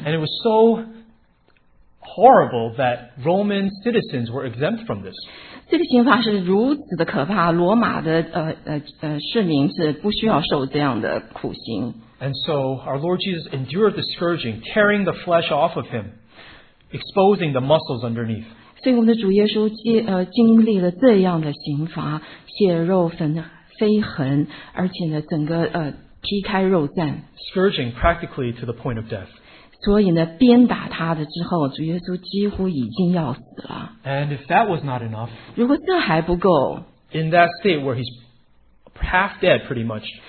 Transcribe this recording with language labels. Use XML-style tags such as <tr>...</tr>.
<en>And it was so horrible that Roman citizens were exempt from this.</en> <zh>这个刑罚是如此的可怕，罗马的市民是不需要受这样的苦刑。</zh> <en>And so our Lord Jesus endured the scourging, tearing the flesh off of him, exposing the muscles underneath.</en> <zh>所以我们的主耶稣经历了这样的刑罚，血肉分飞痕，而且呢，整个劈开肉绽。</zh> <en>Scourging practically to the point of death.</en> <zh>所以呢，鞭打他的之后，主耶稣几乎已经要死了。</zh> <en>And if that was not enough,</en> <zh>如果这还不够,</zh> <en>in that state where he's half dead, pretty much,</en>